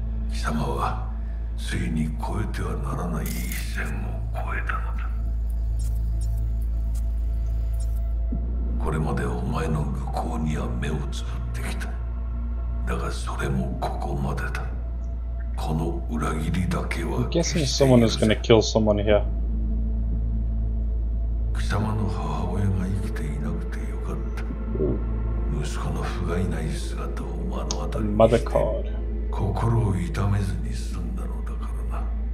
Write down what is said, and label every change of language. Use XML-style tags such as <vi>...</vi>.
<ja>貴様はついに越えてはならない一線を越えたのだ。これまでお前の愚行には目をつぶってきた。だがそれもここまでだ。この裏切りだけは。</ja> <en>I'm guessing someone is gonna kill someone here.</en> <ja>貴様の母親が生きていなくてよかった。息子の不甲斐ない姿を目の当たりにして、心を痛めずに済んだのだからな。</ja>